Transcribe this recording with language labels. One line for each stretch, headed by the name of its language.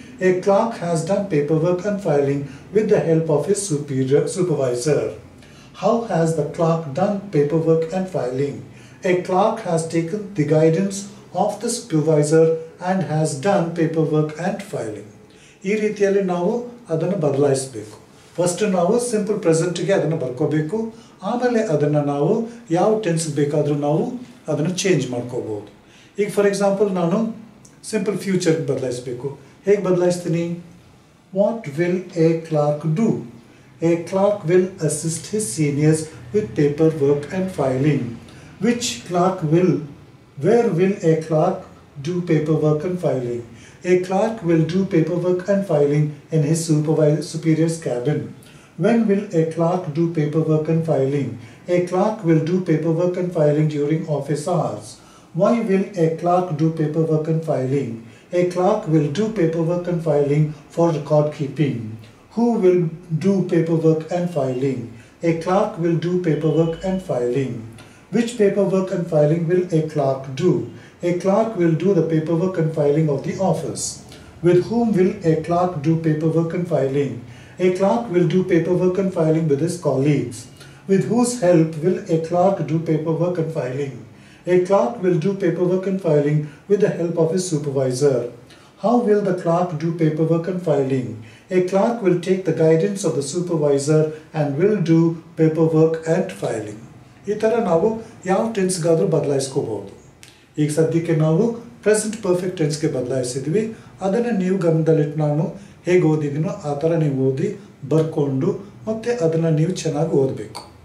English: A clerk has done paperwork and filing with the help of his supervisor. How has the clerk done paperwork and filing? A clerk has taken the guidance of the supervisor and has done paperwork and filing.
Kannada: ಈ ರೀತಿಯಲ್ಲಿ ನಾವು ಅದನ್ನು ಬದಲಾಯಿಸಬೇಕು. First ನಾವು simple ಪ್ರೆಸೆಂಟ್ಗೆ ಅದನ್ನು ಬರ್ಕೋಬೇಕು, ಆಮೇಲೆ ಅದನ್ನು ನಾವು ಯಾವ ಟೆನ್ಸ್ ಬೇಕಾದರೂ ನಾವು ಅದನ್ನು ಚೇಂಜ್ ಮಾಡ್ಕೋಬಹುದು. ಈಗ
English: for example
Kannada: ನಾನು ಸಿಂಪಲ್ ಫ್ಯೂಚರ್ ಬದಲಾಯಿಸಬೇಕು. ಹೇಗೆ ಬದಲಾಯಿಸ್ತೀನಿ?
English: What will a clerk do? A clerk will assist his seniors with paper work and filing. Which clerk will where will a clerk do paper work and filing? A clerk will do paperwork and filing in his superior's cabin. When will a clerk do paperwork and filing? A clerk will do paperwork and filing during office hours. Why will a clerk do paperwork and filing? A clerk will do paperwork and filing for record keeping. Who will do paperwork and filing? A clerk will do paperwork and filing. Which paperwork and filing will a clerk do? A clerk will do the paperwork and filing of the office. With whom will a clerk do paperwork and filing? A clerk will do paperwork and filing with his colleagues. With whose help will a clerk do paperwork and filing? A clerk will do paperwork and filing with the help of his supervisor. How will the clerk do paperwork and filing? A clerk will take the guidance of the supervisor and will do paperwork and filing.
Kannada: ಈ ಥರ ನಾವು ಯಾವ ಟೆನ್ಸ್ಗಾದರೂ ಬದಲಾಯಿಸ್ಕೋಬಹುದು. ಈಗ ಸದ್ಯಕ್ಕೆ ನಾವು present perfect ಟೆನ್ಸ್ಗೆ ಬದಲಾಯಿಸಿದ್ವಿ. ಅದನ್ನು ನೀವು ಗಮನದಲ್ಲಿಟ್ಟು ನಾನು ಹೇಗೆ ಓದಿದ್ದೀನೋ ಆ ಥರ ನೀವು ಓದಿ ಬರ್ಕೊಂಡು ಮತ್ತು ಅದನ್ನು ನೀವು ಚೆನ್ನಾಗಿ ಓದಬೇಕು.